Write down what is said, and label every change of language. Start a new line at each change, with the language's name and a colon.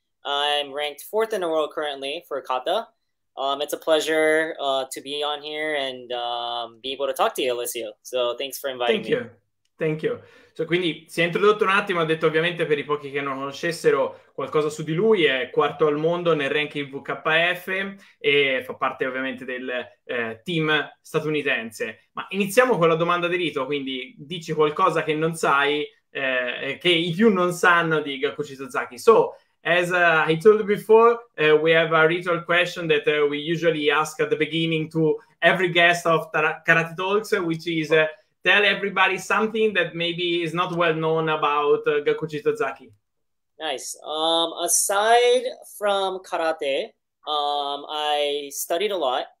English: I'm ranked fourth in the world currently for kata. It's a pleasure to be on here and be able to talk to you, Alessio. So thanks for inviting you, thank you.
Italian: So, quindi si è introdotto un attimo, ha detto ovviamente per i pochi che non conoscessero qualcosa su di lui, è quarto al mondo nel ranking WKF e fa parte ovviamente del team statunitense. Ma iniziamo con la domanda di rito, quindi dici qualcosa che non sai, che i più non sanno di Gakuji Tozaki.
English: So, as I told you before, we have a ritual question that we usually ask at the beginning to every guest of Karate Talks, which is tell everybody something that maybe is not well known about Gakuji Tozaki. Nice. Aside from karate, I studied a lot.